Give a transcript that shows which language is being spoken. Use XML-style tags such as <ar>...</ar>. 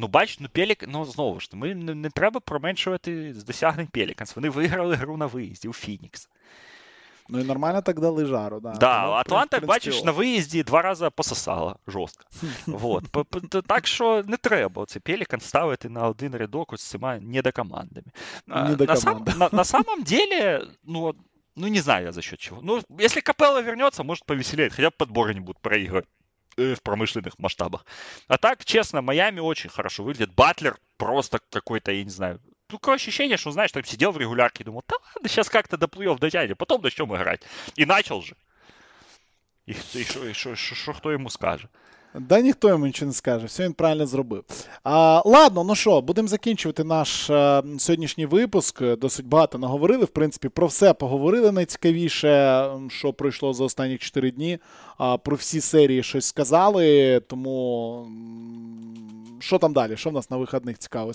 <uk>Ну, бачиш, ну, Пелік, ну, знову ж таки, ми не треба променшувати з досягнень Пеліканс. Вони виграли гру на виїзді у Фінікс. Ну і нормально так дали жару, да. Да, Тому, в Атланта, принципі, бачиш, на ок. виїзді 2 рази пососала жорстко. Вот. Так що не треба цей Пелікан ставити на один рядок ось з цими недокомандами. Не до команди.</uk> <ru>На самом деле, ну, не знаю я за счет чего. Ну, если Капелла вернется, может повеселее. Хотя бы подборы не будут проигрывать в промышленных масштабах. А так, честно, Майами очень хорошо выглядит. Батлер просто какой-то, я не знаю, Ну, короче, ощущение, что, знаешь, там сидел в регулярке и думал, да ладно, сейчас как-то до плей-офф дотянем, потом начнем играть. И начал же. И что ему скажет?</ru> <uk>Да ніхто йому нічого не скаже, все він правильно зробив. Ладно, ну що, будемо закінчувати наш сьогоднішній випуск. Досить багато наговорили, в принципі, про все поговорили найцікавіше, що пройшло за останні 4 дні, про всі серії щось сказали, тому що там далі, що в нас на вихідних цікаво?</uk>